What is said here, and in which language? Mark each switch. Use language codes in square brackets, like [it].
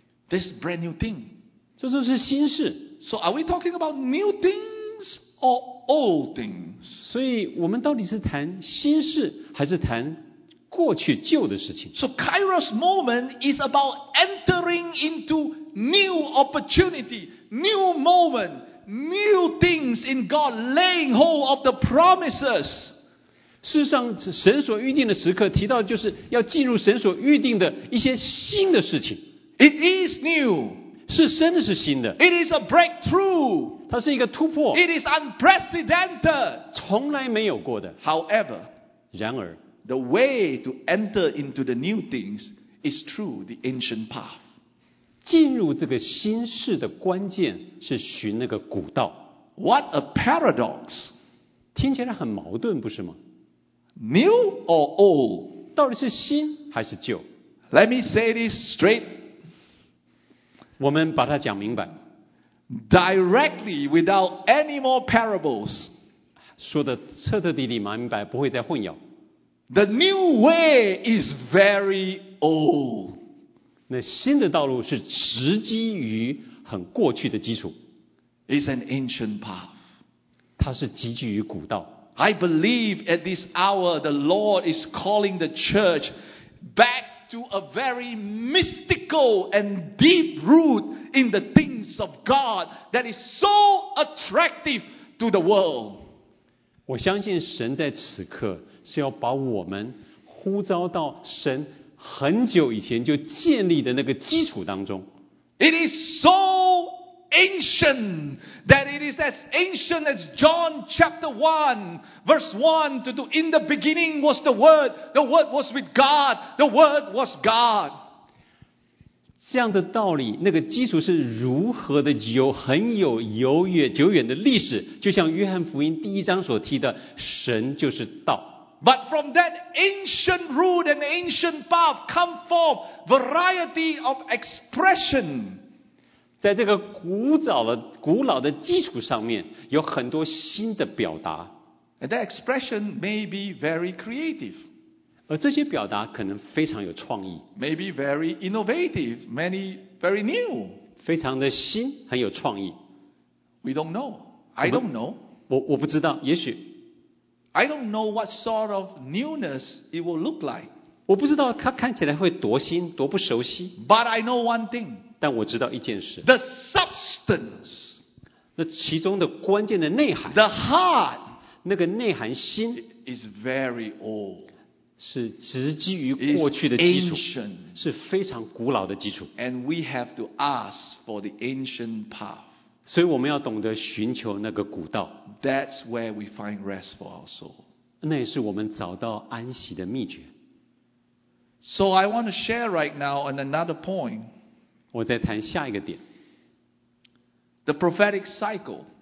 [en] This brand new thing. [zh] 这就是新事。 [en] So are we talking about new things or old things? [zh] 所以我们到底是谈新事还是谈过去旧的事情？ [en] So Kairos moment is about entering into new opportunity, new moment, new things in God laying hold of the promises. [zh] 事实上，神所预定的时刻提到就是要进入神所预定的一些新的事情。 [en] It is new. [zh] 是真的是新的。 [en] It is a breakthrough. [zh] 它是一个突破。 [en] It is unprecedented. [zh] 从来没有过的。 [en] However, [zh] 然而 [en] the way to enter into the new things is through the ancient path. [zh] 进入这个新事的关键是寻那个古道。 [en] What a paradox! [zh] 听起来很矛盾，不是吗？ [en] New or old? [zh] 到底是新还是旧？ [en] Let me say this straight. [zh] 我们把它讲明白。 [en] Directly without any more parables. [zh] 说的彻彻底底明白，不会再混淆。 [en] The new way is very old. [zh] 那新的道路是直基于很过去的基础。 [en] It's an ancient path. [zh] 它是汲取于古道。 [en] I believe at this hour the Lord is calling the church back to a very mystical and deep root in the things of God that is so attractive to the world. [zh] 我相信神在此刻是要把我们呼召到神很久以前就建立的那个基础当中。 [en] It is so ancient that it is as ancient as John chapter 1 verse 1 to do. In the beginning was the word was with God, the word was God. [zh] 这样的道理，那个基础是如何的有很有悠远久远的历史，就像约翰福音第一章所提的，神就是道。 [en] But from that ancient root and ancient path come forth variety of expression. [zh] 在这个古老的基础上面有很多新的表达。 [en] And that expression may be very creative. [zh] 而这些表达可能非常有创意。 [en] Maybe very innovative, many very new. [zh] 非常的新，很有创意。 [en] We don't know. I don't know. [zh] 我不知道，也许。 [en] I don't know what sort of newness it will look like. [zh] 我不知道它看起来会多新，多不熟悉。 [en] But I know one thing. [zh] 但我知道一件事。 [en] The substance， [zh] 那其中的关键的内涵。 [en] The heart， [zh] 那个内涵心。 [en] Is very old， [zh] 是直基于过去的基础， [en] ancient， [zh] 是非常古老的基础。 [en] And we have to ask for the ancient path， [zh] 所以我们要懂得寻求那个古道。 [en] That's where we find rest for our soul。 [zh] 那也是我们找到安息的秘诀。 [en] So I want to share right now on another point。 [zh] 我再谈下一个点。 [en] The prophetic cycle，